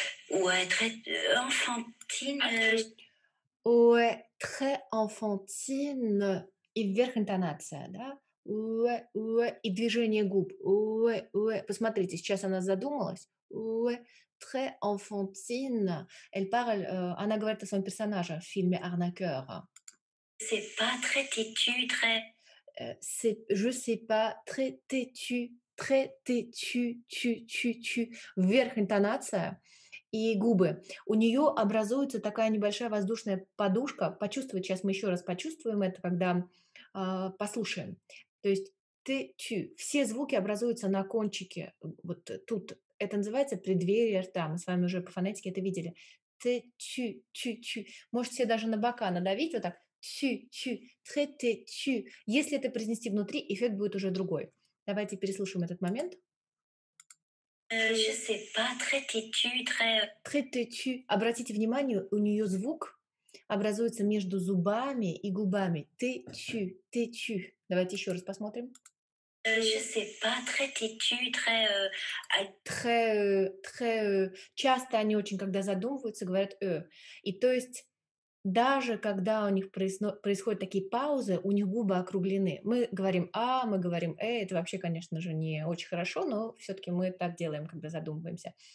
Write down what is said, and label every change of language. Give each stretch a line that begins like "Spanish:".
French: Ouais, très enfantine.
Russian: И вверх интонация, да? И движение губ. Посмотрите, сейчас она задумалась.
French: Ouais, très enfantine. Elle parle,
Russian: она говорит о своем персонаже в фильме «Арнакер».
French: C'est pas très têtu, très. C'est, je sais pas, très têtu, très têtu, tu, tu, tu.
Russian: Вверх интонация и губы. У нее образуется такая небольшая воздушная подушка. Почувствовать сейчас мы еще раз почувствуем это, когда послушаем. То есть têtu. Все звуки образуются на кончике. Вот тут это называется преддверие рта. Мы с вами уже по фонетике это видели.
French: Têtu, tu, tu.
Russian: Можете себе даже на бока надавить вот так. Чу-чу, тре-те-чу. Если это произнести внутри, эффект будет уже другой. Давайте переслушаем этот момент.
French: Je sais pas, тре-те-чу, тре. Тре-те-чу.
Russian: Обратите внимание, у нее звук образуется между зубами и губами. Те-чу, те-чу. Давайте еще раз посмотрим.
French: Je sais pas, тре-те-чу, тре. Тре, тре.
Russian: Часто они очень, когда задумываются, говорят «э». И то есть... Даже когда у них происходят такие паузы, у них губы округлены. Мы говорим «а», мы говорим «э», это вообще, конечно же, не очень хорошо, но все-таки мы так делаем, когда задумываемся.